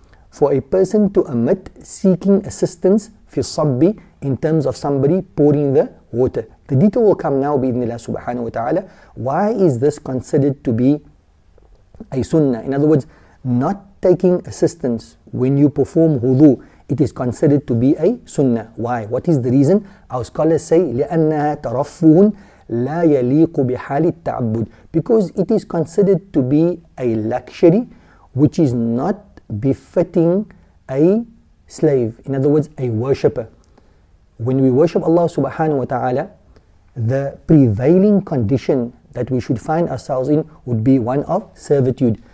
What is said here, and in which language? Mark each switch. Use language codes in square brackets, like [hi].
[en] For a person to omit seeking assistance fi sabbi, in terms of somebody pouring the water. The detail will come now, bi-idhnillah subhanahu wa ta'ala. Why is this considered to be a sunnah? In other words, not taking assistance when you perform wudu, it is considered to be a sunnah. Why? What is the reason? Our scholars say, [ar] لِأَنَّهَا تَرَفُّهٌ لَا يَلِيقُ بِحَالِ التَّعْبُدِ. [en] Because it is considered to be a luxury which is not befitting a slave, in other words, a worshipper. When we worship Allah subhanahu wa ta'ala, the prevailing condition that we should find ourselves in would be one of servitude.